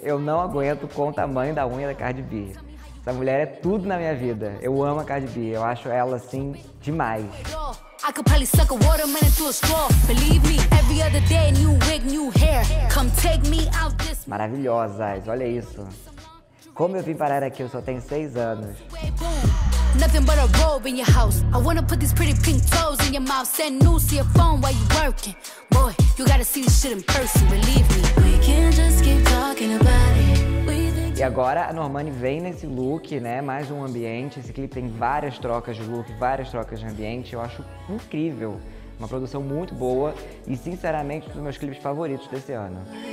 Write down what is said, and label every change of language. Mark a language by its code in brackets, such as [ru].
[pt] Eu não aguento com o tamanho da unha da Cardi B. Essa mulher é tudo na minha vida. Eu amo a Cardi B, eu acho ela assim, demais. [en] I could probably suck a waterman into a straw. Believe me, every other day, new wig, new hair. Come take me out this. [pt] Maravilhosas, olha isso. Como eu vim parar aqui, eu só tenho 6 anos. [en] Nothing but a robe in your house. I wanna put these pretty pink toes in your mouth. Send news to your phone while you working. Boy, you gotta see this shit in person, believe me. We can't just keep talking about it. [pt] E agora a Normani vem nesse look, né? Mais um ambiente. Esse clipe tem várias trocas de look, várias trocas de ambiente. Eu acho incrível. Uma produção muito boa e, sinceramente, um dos meus clipes favoritos desse ano.